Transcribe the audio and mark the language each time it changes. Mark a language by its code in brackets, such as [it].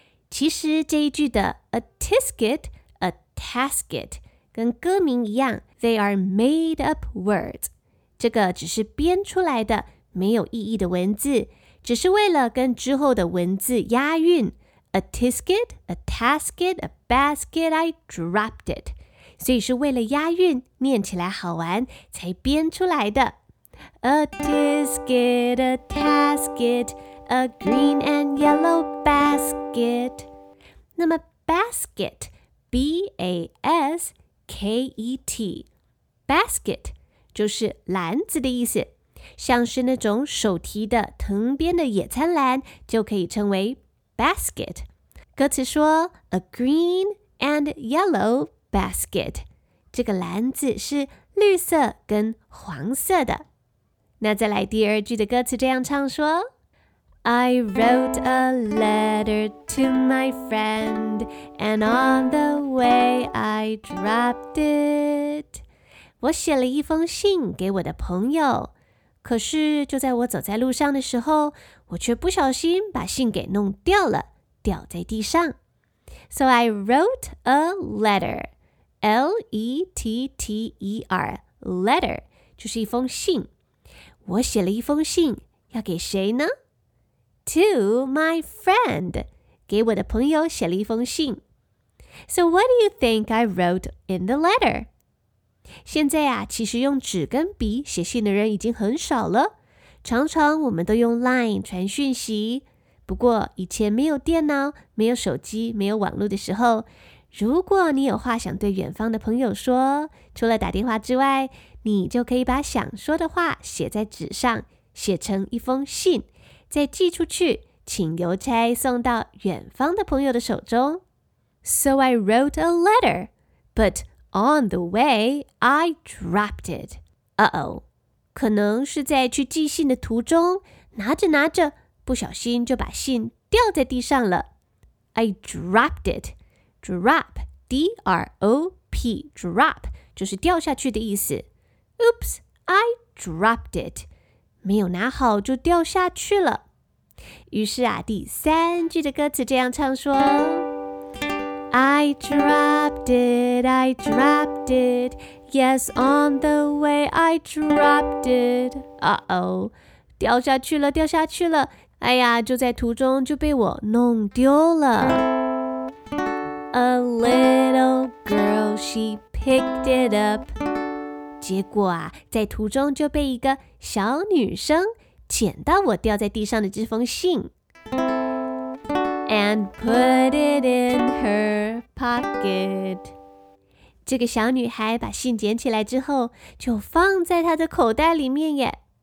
[zh] 其实这一句的 [en] a tisket, a tasket, [zh] 跟歌名一样 [en] they are made up words. [zh] 这个只是编出来的没有意义的文字，只是为了跟之后的文字押韵。 [en] A tisket, a tasket, a basket, I dropped it. [zh] 所以是为了押韵，念起来好玩，才编出来的。 [en] A tisket, a tasket, a green and yellow basket. [zh] 那么 basket, B-A-S-K-E-T, basket 就是篮子的意思，像是那种手提的藤编的野餐篮，就可以称为 basket。 [en] 歌词说 a green and yellow basket. [zh] Basket， 这个篮子是绿色跟黄色的。那再来第二句的歌词这样唱说 [en] ：I wrote a letter to my friend, and on the way I dropped it。 [zh] 我写了一封信给我的朋友，可是就在我走在路上的时候，我却不小心把信给弄掉了，掉在地上。 [en] So I wrote a letter. L-E-T-T-E-R, letter, [zh] 就是一封信。我写了一封信，要给谁呢？ [en] to my friend. [zh] 给我的朋友写了一封信。 [en] So what do you think I wrote in the letter? [zh] 现在啊，其实用纸跟笔写信的人已经很少了。常常我们都用 Line 传讯息。不过以前没有电脑、没有手机、没有网络的时候，如果你有话想对远方的朋友说，除了打电话之外，你就可以把想说的话写在纸上，写成一封信，再寄出去，请邮差送到远方的朋友的手中。 [en] So I wrote a letter, but on the way, I dropped it. [zh] Uh-oh, 可能是在去寄信的途中，拿着拿着，不小心就把信掉在地上了。 [en] I dropped it. [zh] Drop, D-R-O-P, drop, 就是掉下去的意思。 [en] Oops, I dropped it. [zh] 没有拿好就掉下去了。于是啊，第三句的歌词这样唱说。 [en] I dropped it, I dropped it. Yes, on the way, I dropped it. [zh] Uh-oh, 掉下去了，掉下去了。哎呀，就在途中就被我弄丢了。 [en] A little girl, she picked it up. [zh] 结果啊，在途中就被一个小女生捡到我掉在地上的这封信。 [en] And put it in her pocket. [zh] 这个小女孩把信捡起来之后，就放在她的口袋里面耶。